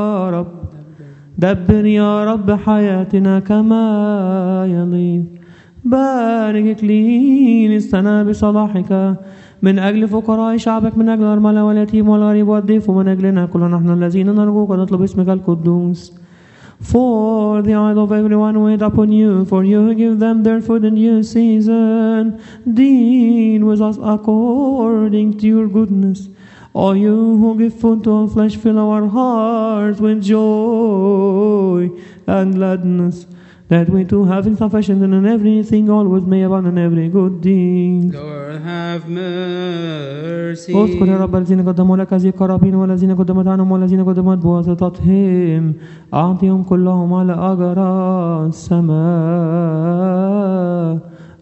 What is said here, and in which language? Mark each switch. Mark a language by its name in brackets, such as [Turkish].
[Arabic] رب دبر يا رب حياتنا كما يليق بارك لي للسنة بصلاحك من أجل فقراء شعبك من أجل الأرملة واليتيم والغريب والضيف ومن أجلنا كلنا نحن الذين نرجوك ونطلب اسمك القدوس [English] For the eyes of everyone wait upon you, for you give them their food in due season. Deal with us according to your goodness. O you who give food to all flesh, fill our hearts with joy and gladness. That we too, having sufficient and in everything, always may abound in every good deed. Lord, have mercy. [Arabic] اذكر يا رب الذين قدموا لك هذه القرابين والذين قدمت عنهم والذين قدمت بواسطتهم. أعطيهم كلهم على أجر السماء.